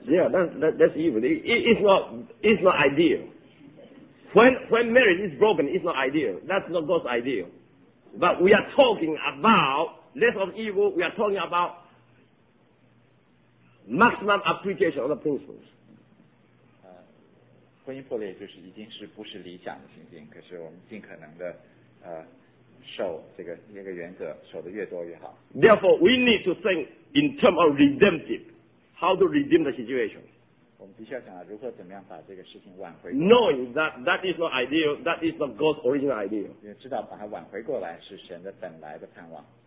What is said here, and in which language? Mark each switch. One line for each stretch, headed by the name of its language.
English: evil. Yeah, that's evil. It's not ideal. When marriage is broken, it's not ideal. That's not God's ideal. But we are talking about less of evil, we are talking about maximum appreciation of the principles.
Chinese: 婚姻破裂就是已经是不是理想的情境，可是我们尽可能的守这个原则，守得越多越好。
English: Therefore, we need to think in terms of redemptive, how to redeem the situation.
Chinese: 我们必须要想如何怎么样把这个事情挽回。
English: Knowing that that is not ideal, that is not God's original ideal.
Chinese: 也知道把它挽回过来是神的本来的盼望。